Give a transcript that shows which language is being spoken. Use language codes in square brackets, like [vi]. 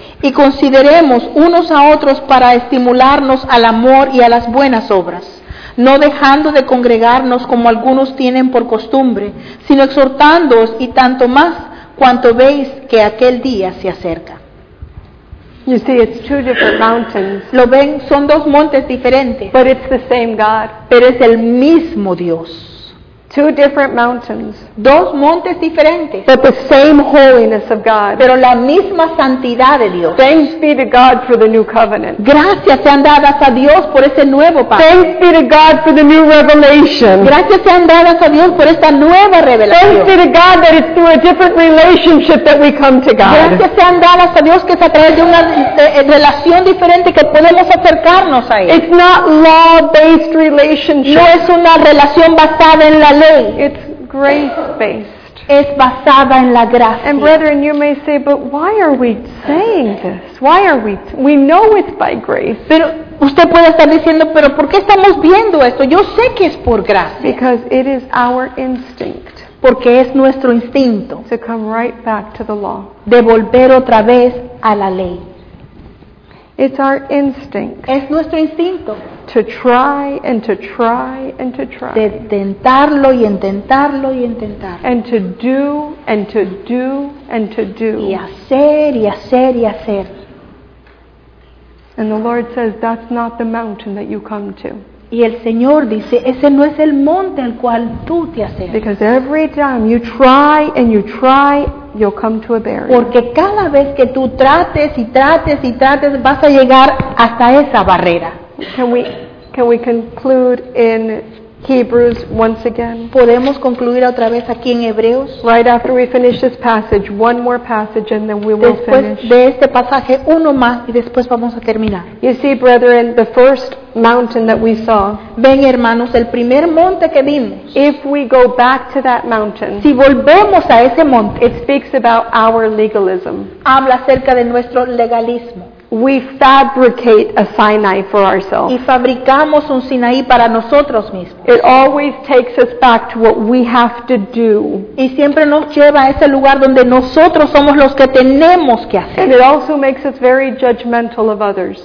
[es] Y consideremos unos a otros para estimularnos al amor y a las buenas obras. No dejando de congregarnos como algunos tienen por costumbre, sino exhortándoos y tanto más cuanto veis que aquel día se acerca. [en] You see, it's two different mountains. [es] Lo ven, son dos montes diferentes. [en] But it's the same God. [es] Pero es el mismo Dios. [en] Two different mountains. [es] Dos montes diferentes. [en] But the same holiness of God. [es] Pero la misma santidad de Dios. [en] Thanks be to God for the new covenant. [es] Gracias sean dadas a Dios por ese nuevo pacto. [en] Thanks be to God for the new revelation. [es] Gracias sean dadas a Dios por esta nueva revelación. [en] Thanks be to God that it's through a different relationship that we come to God. [es] Gracias sean dadas a Dios que es a través de una relación diferente que podemos acercarnos a Él. [en] It's not law-based relationship. [es] No es una relación basada en la ley. [en] It's grace based. [es] Es basada en la gracia. [en] And brethren, you may say, but why are we saying this? Why are we? We know it's by grace. [es] Pero usted puede estar diciendo, pero ¿por qué estamos viendo esto? Yo sé que es por gracia. [en] Because it is our instinct. [es] Porque es nuestro instinto. [en] To come right back to the law. [es] De volver otra vez a la ley. [en] It's our instinct. [es] Es nuestro instinto. [en] To try and to try and to try. [es] De tentarlo y intentarlo y intentarlo. [en] And to do and to do and to do. [es] Y hacer y hacer y hacer. [en] And the Lord says, that's not the mountain that you come to. [es] Y el Señor dice, ese no es el monte al cual tú te acercas. [en] Because every time you try and you try, you'll come to a barrier. [es] Porque cada vez que tú trates y trates y trates, vas a llegar hasta esa barrera. [en] Can we conclude in Hebrews once again? [es] ¿Podemos concluir otra vez aquí en Hebreos? [en] Right after we finish this passage, one more passage and then we will finish. [es] Después de este pasaje, uno más y después vamos a terminar. [en] You see, brethren, the first mountain that we saw. [es] Ven, hermanos, el primer monte que vimos. [en] If we go back to that mountain. [es] Si volvemos a ese monte. [en] It speaks about our legalism. [es] Habla acerca de nuestro legalismo. [en] We fabricate a Sinai for ourselves. [es] Y fabricamos un Sinaí para nosotros mismos. [en] It always takes us back to what we have to do. [es] Y siempre nos lleva a ese lugar donde nosotros somos los que tenemos que hacer. [en] And it also makes us very judgmental of others.